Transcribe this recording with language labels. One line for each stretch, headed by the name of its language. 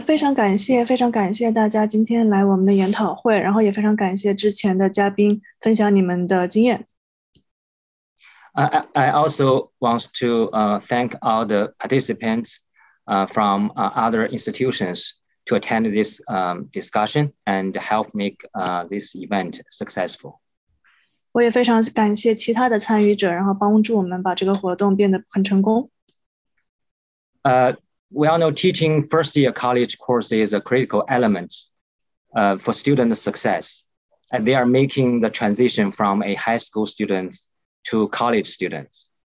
Chinese: 非常感谢大家今天来我们的研讨会, 然后也非常感谢之前的嘉宾分享你们的经验。
English: I also want to thank all the participants from other institutions to attend this discussion and help make this event successful.
Chinese: 我也非常感谢其他的参与者, 然后帮助我们把这个活动变得很成功。
English: We all know teaching first year college course is a critical element for student success, and they are making the transition from a high school student to college students.